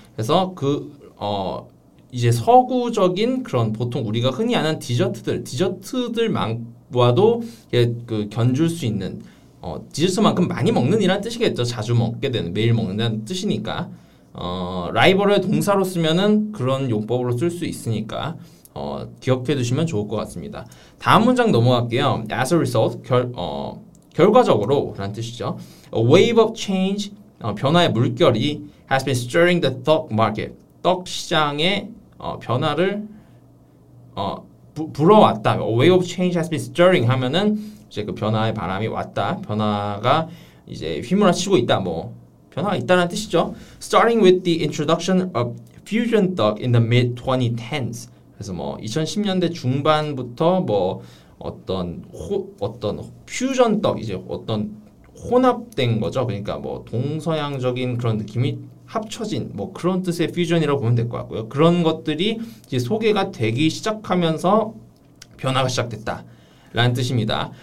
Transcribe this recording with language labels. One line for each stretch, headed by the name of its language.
Korean: 그래서 그 이제 서구적인 그런 보통 우리가 흔히 아는 디저트들만과도 그 견줄 수 있는 디저트만큼 많이 먹는 이란 뜻이겠죠. 자주 먹게 되는, 매일 먹는다는 뜻이니까 라이벌을 동사로 쓰면은 그런 용법으로 쓸 수 있으니까 기억해 두시면 좋을 것 같습니다. 다음 문장 넘어갈게요.
English: As a result,
Korean: 결과적으로 라는 뜻이죠.
English: A wave of change,
Korean: 변화의 물결이
English: has been stirring the stock market.
Korean: 떡 시장의 변화를 불어왔다.
English: A wave of change has been stirring
Korean: 하면은 이제 그 변화의 바람이 왔다. 변화가 이제 휘몰아치고 있다. 뭐 변화가 있다는 뜻이죠.
English: Starting with the introduction of fusion stock in the mid-2010s.
Korean: 그래서 뭐 2010년대 중반부터 뭐 어떤 퓨전 떡, 이제 어떤 혼합된 거죠. 그러니까 뭐 동서양적인 그런 느낌이 합쳐진 뭐 그런 뜻의 퓨전이라고 보면 될 것 같고요. 그런 것들이 이제 소개가 되기 시작하면서 변화가 시작됐다 라는 뜻입니다.